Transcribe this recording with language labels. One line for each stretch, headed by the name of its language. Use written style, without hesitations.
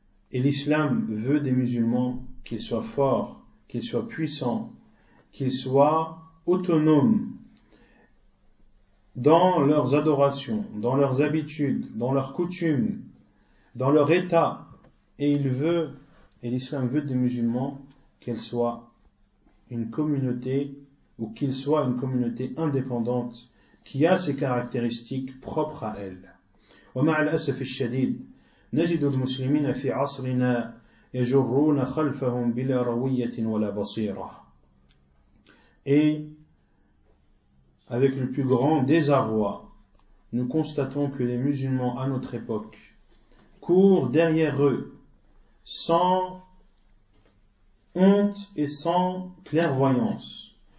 French: Et l'islam veut des musulmans qu'ils soient forts, qu'ils soient puissants, qu'ils soient autonomes dans leurs adorations, dans leurs habitudes, dans leurs coutumes, dans leur état. Et il veut, et l'islam veut des musulmans qu'elles soient une communauté ou qu'il soit une communauté indépendante qui a ses caractéristiques propres à elle.
Arabic: ومع الأسف الشديد نجد المسلمين في عصرنا يجرون خلفهم بلا روية ولا بصيرة.
French: Et avec le plus grand désarroi, nous constatons que les musulmans à notre époque courent derrière eux sans honte et sans clairvoyance.